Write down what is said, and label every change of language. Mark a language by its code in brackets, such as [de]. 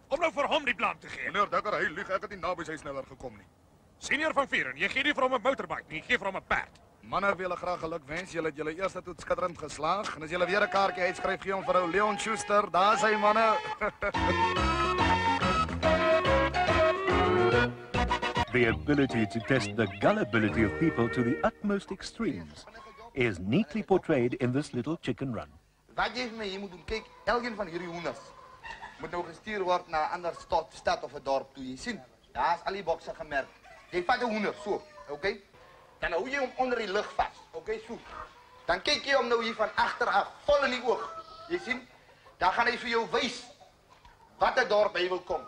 [af] Om nou vir hom die blaam te gee. Meneer Dekker, hy lieg, ek het nie na by sy sneller gekom nie. Senior van Vieren, jy gee nie vir hom 'n motorbike nie, jy gee vir hom 'n perd. Manne wil julle graag geluk wens, julle het julle eerste toets skitterend geslaag. En as julle weer 'n kaartjie uitskryf, gee hom vir ou Leon Schuster, daar is hy, manne. [en] The ability to test the gullibility of people to the utmost extremes is neatly portrayed in this little chicken run. [af] Wat jy vir my hier moet doen, kyk, elkeen van hierdie hoenders moet nou gestuur word na 'n ander stad of 'n dorp toe. Jy sien, daar is al die bokse gemerk. Jy vat die hoender, so, okay? Dan hou jy hom onder die lug vas, okay, so. Dan kyk jy hom nou hier van achter af, vol in die oog. Jy sien, dan gaan hy vir jou wys wat die dorp hy wil kom.